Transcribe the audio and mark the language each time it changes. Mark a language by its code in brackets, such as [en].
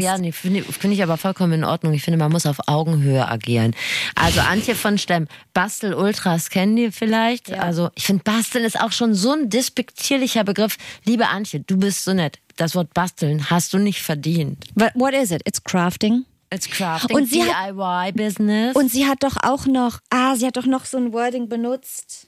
[de] Ja, nee, finde ich aber vollkommen in Ordnung. Ich finde, man muss auf Augenhöhe agieren. Also Antje von Stemm, Bastel-Ultras kennen die vielleicht. Ja. Also ich finde, basteln ist auch schon so ein despektierlicher Begriff. Liebe Antje, du bist so nett. Das Wort basteln hast du nicht verdient. [en] But what is it? It's crafting. It's crafting, DIY-Business. [de] Und sie hat doch auch noch, sie hat doch noch so ein Wording benutzt.